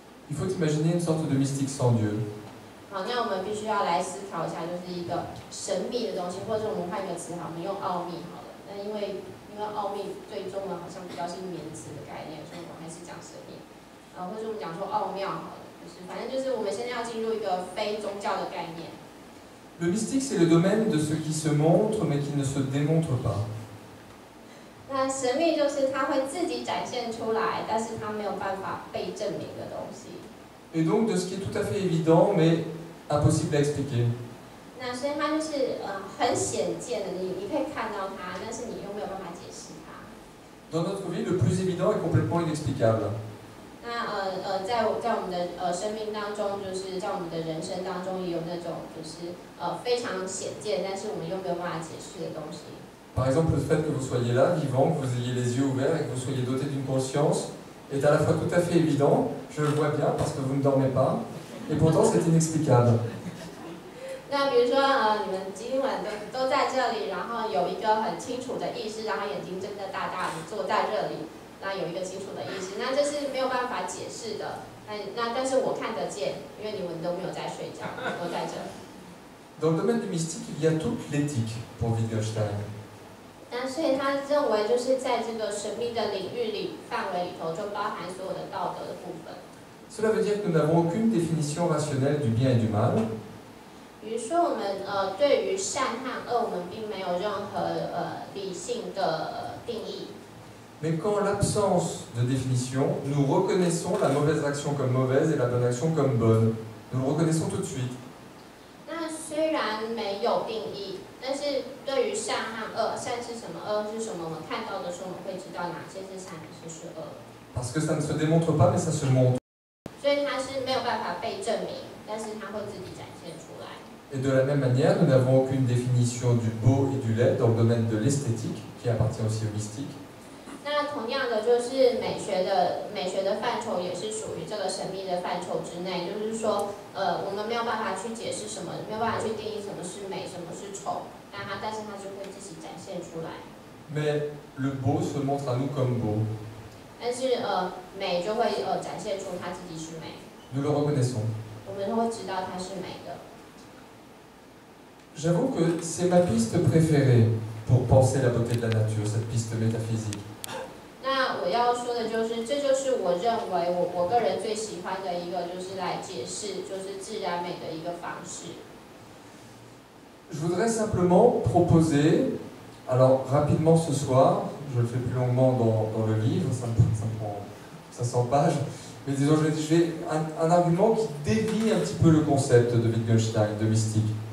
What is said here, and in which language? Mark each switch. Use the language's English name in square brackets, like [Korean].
[French] Il faut imaginer une sorte de mystique sans Dieu. [Chinese] 好，那我们必须要来思考一下，就是一个神秘的东西，或者我们换一个词，好，我们用奥秘好了。那因为奥秘最终呢，好像比较是名词的概念，所以我们还是讲神秘。或者我们讲说奥妙好了，就是反正就是我们现在要进入一个非宗教的概念。 [French] Le mystique c'est le domaine de ce qui se montre mais qui ne se démontre pas. [Chinese] 那神秘就是它会自己展现出来，但是它没有办法被证明的东西。 [French] Et donc de ce qui est tout à fait évident mais impossible à expliquer。 [Chinese] 那所以它就是很显见的，你可以看到它，但是你又没有办法解释它。 [French] Dans notre vie, le plus évident est complètement inexplicable。 [Chinese] 那在我们的生命当中，就是在我们的人生当中，也有那种就是非常显见，但是我们又没有办法解释的东西。 [French] Par exemple, le fait que vous soyez là, vivant, que vous ayez les yeux ouverts et que vous soyez doté d'une conscience est à la fois tout à fait évident, je le vois bien parce que vous ne dormez pas, et pourtant c'est inexplicable. [Chinese] 那比如说，你们今晚都在这里，然后有一个很清楚的意识，然后眼睛睁得大大的坐在这里，那有一个清楚的意识，那这是没有办法解释的。那但是我看得见，因为你们都没有在睡觉，都在这。 [French] Dans le domaine du mystique, il y a toute l'éthique pour Wittgenstein. [Chinese] 所以他认为就是在这个神秘的领域里范围里头就包含所有的道德的部分。 [French] Cela veut dire que nous n'avons aucune définition rationnelle du bien et du mal. [Chinese] 比如说我们对于善和恶我们并没有任何理性的定义。 [French] Mais quand l'absence de définition, nous reconnaissons la mauvaise action comme mauvaise et la bonne action comme bonne. Nous le reconnaissons tout de suite. [Chinese] 虽然没有定义，但是对于善和恶，善是什么，恶是什么，我们看到的时候，我们会知道哪些是善，哪些是恶。 [French] Parce que ça ne se démontre pas, mais ça se montre. [Chinese] 所以它是没有办法被证明，但是它会自己展现出来。 [French] Et de la même manière, nous n'avons aucune définition du beau et du laid dans le domaine de l'esthétique, qui appartient aussi au mystique. [Chinese] 那同样的，就是美学的范畴也是属于这个神秘的范畴之内，就是说。我们没有办法去解释什么，没有办法去定义什么是美，什么是丑，但它就会自己展现出来。 [French] Mais le beau se montre à nous comme beau. [Chinese] 但是美就会展现出它自己是美。 [French] Nous le reconnaissons. [Chinese] 我们都会知道它是美的。 [French] J'avoue que c'est ma piste préférée pour penser la beauté de la nature, cette piste métaphysique. [Chinese] 那我要说的就是，这就是我认为我个人最喜欢的一个，就是来解释就是自然美的一个方式。 [French] Je voudrais simplement proposer, alors rapidement ce soir, je le fais plus longuement dans le livre, ça prend 500 pages, mais disons je vais un argument qui dévie un petit peu le concept de Wittgenstein de mystique.